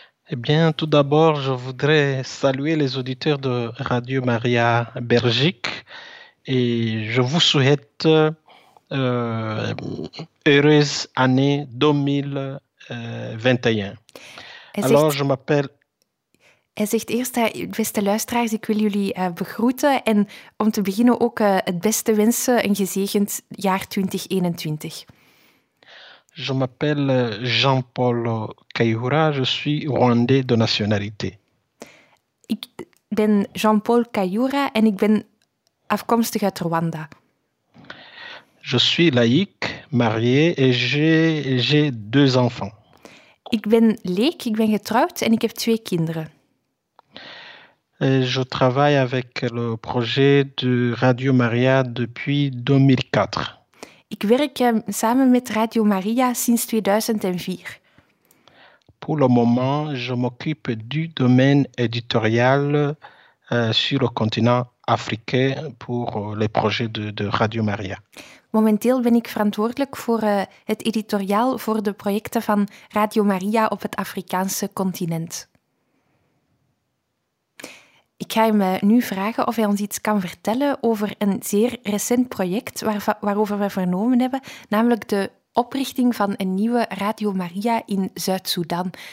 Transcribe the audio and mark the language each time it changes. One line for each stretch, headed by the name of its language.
French: Eh bien, tout d'abord, je voudrais saluer les auditeurs de Radio Maria Belgique et je vous souhaite heureuse année 2021. Alors, je m'appelle...
Dutch: Hij zegt eerst, beste luisteraars, ik wil jullie begroeten en om te beginnen ook het beste wensen, een gezegend jaar 2021.
French: Je m'appelle Jean-Paul Kayihura, je suis Rwandais de nationalité.
Dutch: Ik ben Jean-Paul Kayihura en ik ben afkomstig uit Rwanda.
French: Je suis laïc, marié et j'ai deux enfants.
Dutch: Ik ben leek, ik ben getrouwd en ik heb twee kinderen.
French: Je travaille avec le projet de Radio Maria depuis 2004.
Dutch: Ik werk samen met Radio Maria sinds 2004.
French: Pour le moment, je m'occupe du domaine éditorial sur le continent africain pour les projets de Radio Maria.
Dutch: Momenteel ben ik verantwoordelijk voor het editoriaal voor de projecten van Radio Maria op het Afrikaanse continent. Ik ga hem nu vragen of hij ons iets kan vertellen over een zeer recent project waarover we vernomen hebben, namelijk de oprichting van een nieuwe Radio Maria in Zuid-Soedan.